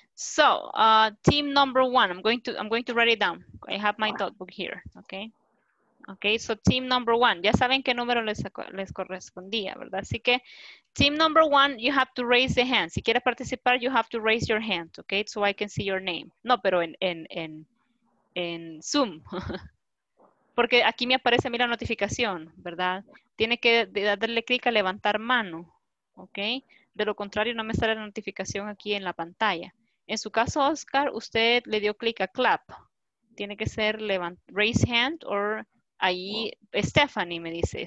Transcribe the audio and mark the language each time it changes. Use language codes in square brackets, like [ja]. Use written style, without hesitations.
[en] So, team number one, I'm going to write it down. I have my notebook here, okay. Okay, so team number one, [es] ya saben qué número les correspondía, ¿verdad? Así que, [en] team number one, you have to raise the hand. [es] Si quieres participar, [en] you have to raise your hand, okay, so I can see your name. [es] No, pero en Zoom. Porque aquí me aparece a mí la notificación, ¿verdad? Tiene que darle clic a levantar mano, okay. De lo contrario, no me sale la notificación aquí en la pantalla. En su caso, Oscar, usted le dio clic a clap. Tiene que ser raise hand or ahí, Stephanie me dice.